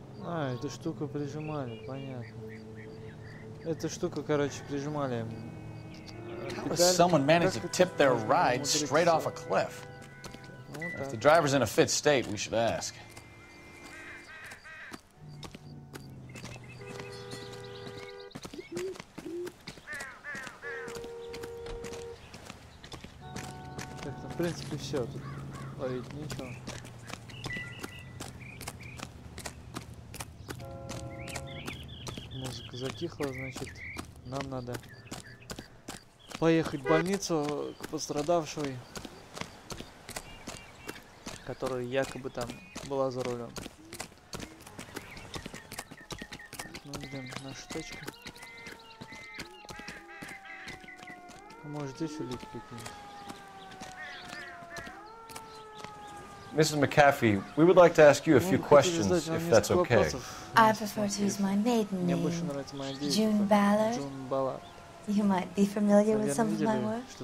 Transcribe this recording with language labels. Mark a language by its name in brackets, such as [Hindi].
[Russian] А, эту штуку прижимали, понятно. Эта штука, короче, прижимали. [English] Someone managed to tip their ride straight off a cliff. Okay. If the driver's in a fit state, we should ask. [Russian] В принципе, все, тут ловить нечего. Музыка затихла, значит, нам надо поехать в больницу к пострадавшей, которая якобы там была за рулем. Ну, где наша точка? Может, здесь улик какие-нибудь? [English] Mrs. McAfee, we would like to ask you a few questions, if that's okay. I prefer to use my maiden name, June Ballard. You might be familiar with some of my work.